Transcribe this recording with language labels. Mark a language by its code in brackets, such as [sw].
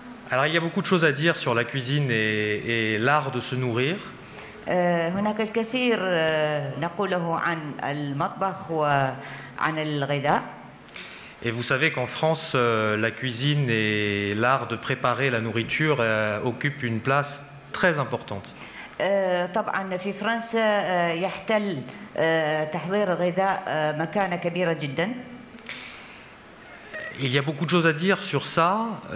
[fr] Alors il y a beaucoup de choses à dire sur la cuisine et l'art de se nourrir. [ar] هناك الكثير نقوله عن المطبخ وعن الغذاء. [fr] Et vous savez qu'en France, la cuisine et l'art de préparer la nourriture occupent une place très importante. [ar] طبعا في فرنسا يحتل تحضير الغذاء مكانة كبيرة جدا. [fr] Il y a beaucoup de choses à dire sur ça.